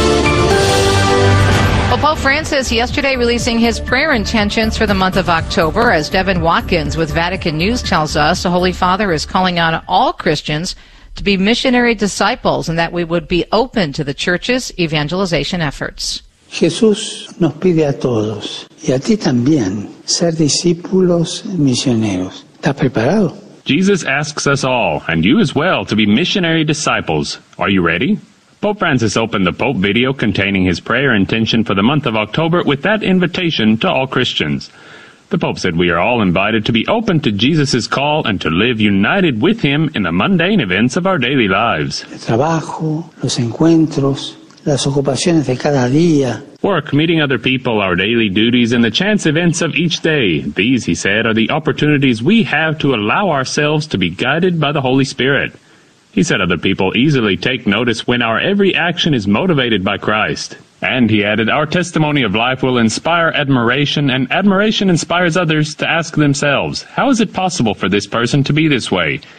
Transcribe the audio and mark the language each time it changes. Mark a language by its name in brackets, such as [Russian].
[English] Well, Pope Francis yesterday releasing his prayer intentions for the month of October. As Devin Watkins with Vatican News tells us, the Holy Father is calling on all Christians to be missionary disciples and that we would be open to the church's evangelization efforts. [Spanish] Jesús nos pide a todos y a ti también ser discípulos misioneros. ¿Estás preparado? [English] Jesus asks us all, and you as well, to be missionary disciples. Are you ready? Pope Francis opened the Pope video containing his prayer intention for the month of October with that invitation to all Christians. The Pope said we are all invited to be open to Jesus' call and to live united with him in the mundane events of our daily lives. [Spanish] El trabajo, los encuentros, las ocupaciones de cada día. [English] Work, meeting other people, our daily duties, and the chance events of each day. These, he said, are the opportunities we have to allow ourselves to be guided by the Holy Spirit. He said other people easily take notice when our every action is motivated by Christ. And he added, our testimony of life will inspire admiration, and admiration inspires others to ask themselves, how is it possible for this person to be this way?